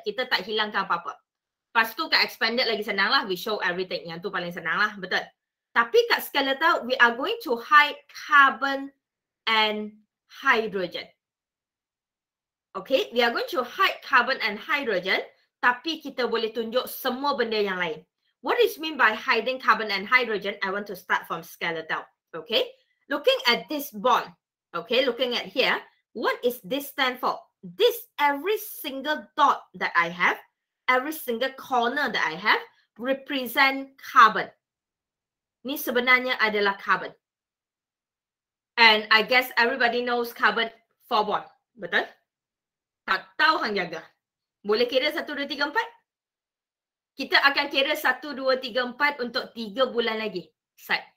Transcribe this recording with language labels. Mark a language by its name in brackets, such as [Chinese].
[Malay] Kita tak hilangkan apa-apa. Lepas tu kat expanded lagi senang lah. [English] We show everything. [Malay] Yang tu paling senang lah. Betul. Tapi kat skeletal, [English] we are going to hide carbon and hydrogen. Okay? We are going to hide carbon and hydrogen. [Malay] Tapi kita boleh tunjuk semua benda yang lain. [English] What is mean by hiding carbon and hydrogen? I want to start from skeletal. Okay? Looking at this bond. Okay? Looking at here. What is this stand for? This every single dot that I have, every single corner that I have, represent carbon. [Malay] Ni sebenarnya adalah carbon. [English] And I guess everybody knows carbon 4 bond. [Malay] Betul? Tak tahu hang jaga. Boleh kira 1, 2, 3, 4? Kita akan kira 1, 2, 3, 4 untuk 3 bulan lagi. Sat.